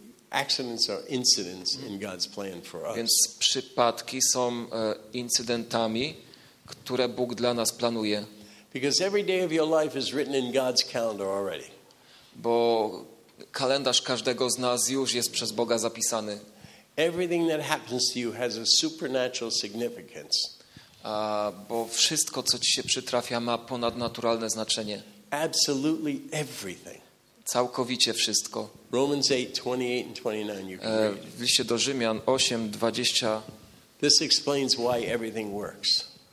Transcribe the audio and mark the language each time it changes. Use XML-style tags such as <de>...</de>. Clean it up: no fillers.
<en>accidents are incidents in God's plan for us.</en> <pl>Więc przypadki są incydentami, które Bóg dla nas planuje.</pl> <en>Because every day of your life is written in God's calendar already.</en> <pl>Bo kalendarz każdego z nas już jest przez Boga zapisany.</pl> <en>Everything that happens to you has a supernatural significance.</en> <pl>Bo wszystko, co ci się przytrafia, ma ponadnaturalne znaczenie.</pl> <en>Absolutely everything.</en> <pl>Całkowicie wszystko.</pl> <en>Romans 8, 28 and 29, you can read.</en> <pl>W liście do Rzymian 8, 20.</pl> <en>This explains why everything works.</en>